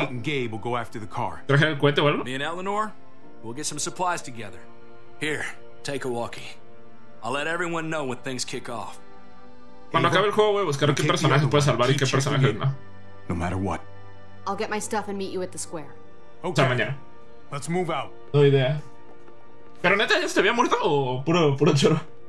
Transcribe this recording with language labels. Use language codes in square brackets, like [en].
[en] Kate and Gabe will go after the car. [es] ¿Traje el cuento o algo? [en] Me and Eleanor, we'll get some supplies together. Here, take a walkie. I'll let everyone know when things kick off. [es] Cuando acabe el juego, voy a buscar qué personaje puede salvar y qué personaje no. [en] No matter what. I'll get my stuff and meet you at the square. [es] Okay. Hasta mañana. [en] Let's move out. No idea. [es] ¿Pero neta ya se había muerto o puro choro?